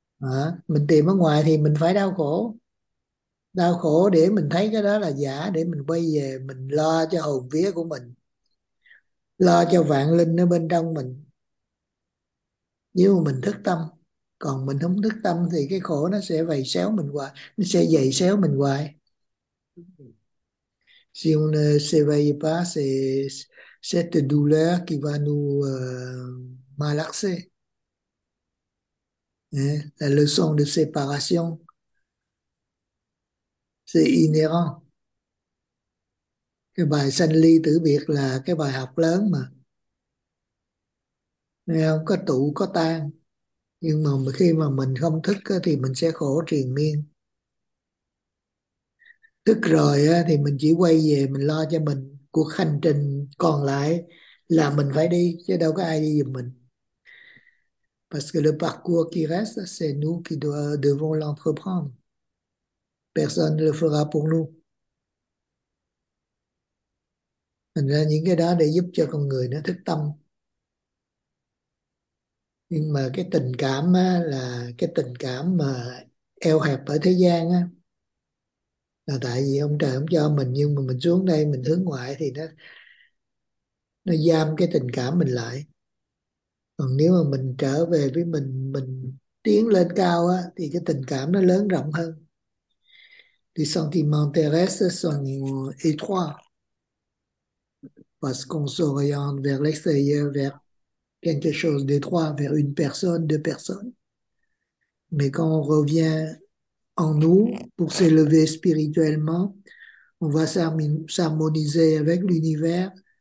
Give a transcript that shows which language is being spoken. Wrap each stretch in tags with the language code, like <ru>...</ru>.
<vi>À, mình tìm ở ngoài thì mình phải đau khổ. Đau khổ để mình thấy cái đó là giả, để mình quay về mình lo cho hồn vía của mình, lo cho vạn linh ở bên trong mình. Nếu mà mình thức tâm, còn mình không thức tâm thì cái khổ nó sẽ vầy xéo mình hoài, nó sẽ giày xéo mình hoài.</vi> <fr>Si on ne s'éveille pas, c'est cette douleur qui va nous malaxer. La leçon de séparation, c'est inhérent.</fr> <vi>Cái bài sanh ly tử biệt là cái bài học lớn mà. Nên không có tụ có tan. Nhưng mà khi mà mình không thức á, thì mình sẽ khổ triền miên. Thức rồi á, thì mình chỉ quay về mình lo cho mình. Cuộc hành trình còn lại là mình phải đi, chứ đâu có ai đi giùm mình.</vi> <fr>Parce que le parcours qui reste, c'est nous qui devons l'entreprendre. Personne ne le fera pour nous.</fr> <vi>Thành ra những cái đó để giúp cho con người nó thức tâm. Nhưng mà cái tình cảm á, là cái tình cảm mà eo hẹp ở thế gian á, là tại vì ông trời không cho mình, nhưng mà mình xuống đây mình hướng ngoại thì nó giam cái tình cảm mình lại. Còn nếu mà mình trở về với mình tiến lên cao á, thì cái tình cảm nó lớn rộng hơn.</vi> <fr>Les sentiments terrestres sont étroits. Parce qu'on s'oriente vers l'extérieur, vers quelque chose d'étroit, vers une personne, deux personnes. Mais quand on revient en nous pour s'élever spirituellement, on va s'harmoniser avec l'univers.</fr>